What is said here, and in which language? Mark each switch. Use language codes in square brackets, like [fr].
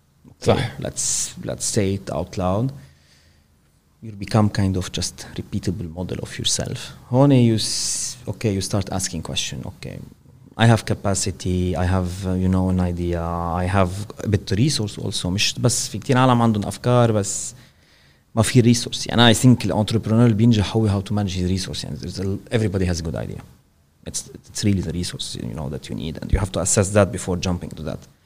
[en] Okay, let's say it out loud. You become kind of just repeatable model of yourself. Okay, you start asking questions. Okay. I have capacity, I have, you know, an idea, I have a bit of resource also. [ar] مش بس في كتير عالم عندهم أفكار بس ما في resource. [en] And I think the entrepreneur [ar] بينجح هو [en] how to manage his resource. And everybody has a good idea. It's really the resource, you know, that you need. And you have to assess that before jumping to that.